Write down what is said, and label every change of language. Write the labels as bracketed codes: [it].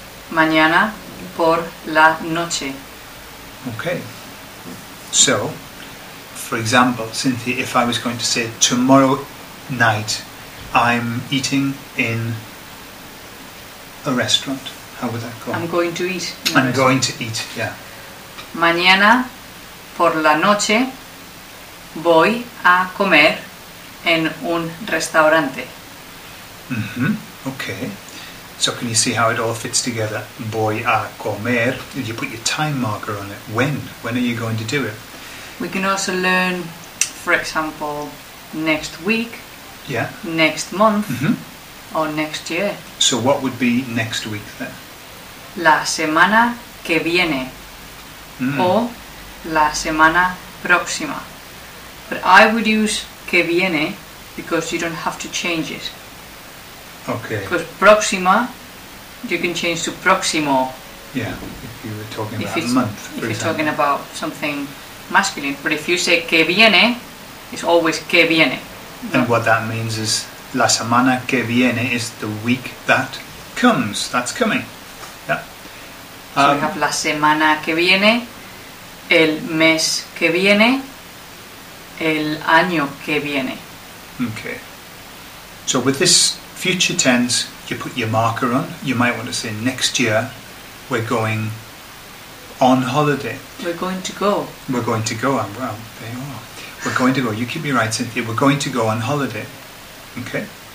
[es] Mañana por la noche. [en] Okay, so for example, Cynthia, if I was going to say tomorrow night I'm eating in a restaurant, how would that go? I'm going to eat. I'm going to eat, yeah. [es] Mañana por la noche voy a comer en un restaurante. [en] Mm-hmm. Okay. So can you see how it all fits together? [es] Voy a comer. [en] You put your time marker on it. When? When are you going to do it? We can also learn, for example, next week, yeah, next month, mm-hmm, or next year. So what would be next week then? [es] La semana que viene, mm, or la semana próxima. [en] But I would use que viene because you don't have to change it. Okay. Because próxima, you can change to próximo. Yeah, if you were talking about a month, for if You're talking about something masculine. But if you say que viene, it's always que viene. And what that means is [es] la semana que viene [en] is the week that comes. That's coming. Yeah. So we have [es] la semana que viene, el mes que viene, el año que viene. [en] Okay. So with this future tense, you put your marker on. You might want to say next year we're going on holiday. We're going to go. We're going to go. And well, there you are. We're going to go. You keep me right, Cynthia. We're going to go on holiday. Okay?